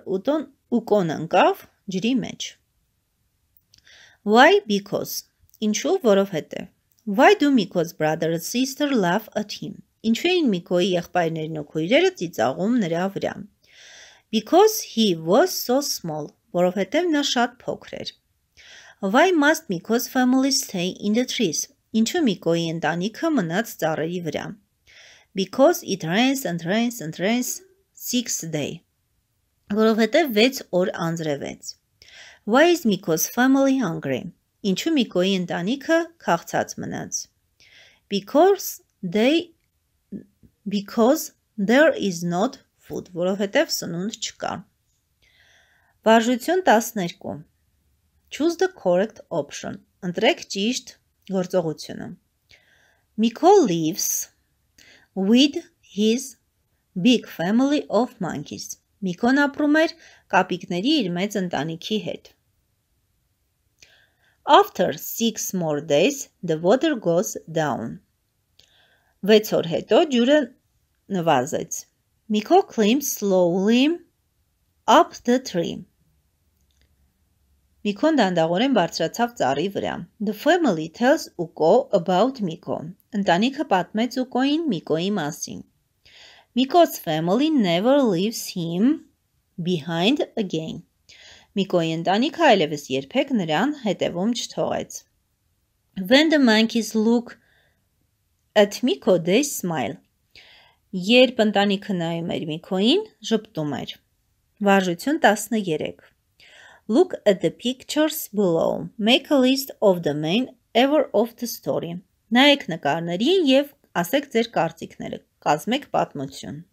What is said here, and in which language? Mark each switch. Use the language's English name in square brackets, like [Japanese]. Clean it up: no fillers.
[Armenian] Ուկոն ընկավ ջրի մեջ։ [English] Why? Because. [Armenian] Ինչու՞, որովհետև։ [English] Why do Miko's brother and sister laugh at him? [Armenian] Ինչու էին Միկոյի եղբայրներն ու քույրերը ծիծաղում նրա վրա։ [English] Because he was so small, [Armenian] որովհետև նա շատ փոքր էր։ [English] Why must Miko's family stay in the trees? [Armenian] Ինչու Միկոյի ընտանիքը մնաց ծառերի վրա? [English] Because it rains and rains and rains 6th day. [Armenian] Որովհետև 6 օր անձրևեց. [English] Why is Miko's family hungry? [Armenian] Ինչու Միկոյի ընտանիքը քաղցած մնաց? [English] Because there is not food. [Armenian] Որովհետև սնունդ չկա. Վարժություն 12. [English] Choose the correct option. [Armenian] Ընտրեք ճիշտ գործողությունը. [English] Miko lives with his big family of monkeys. [Armenian] Միկոն ապրում էր կապիկների իր մեծ ընտանիքի հետ. [English] After 6 more days, the water goes down. [Armenian] 6 օր հետո ջուրը նվազեց. [English] Miko climbs slowly up the tree. [Armenian] Միկոն դանդաղորեն բարձրացավ ծառի վրա. [English] The family tells Uko about Miko. [Armenian] Ընտանիքը պատմեց Ուկոին Միկոյի մասին. [English] Miko's family never leaves him behind again. [Armenian] Միկոյի ընտանիքը այլևս երբեք նրան հետևում չթողեց. [English] When the monkeys look at Miko, they smile. [Armenian] Երբ ընտանիքը նայում էր Միկոյին, ժպտում էր. Վարժություն 13. [English] Look at the pictures below. Make a list of the main ever of the story. [Armenian] Նայեք նկարներին և ասեք ձեր կարծիքները. Կազմեք պատմություն.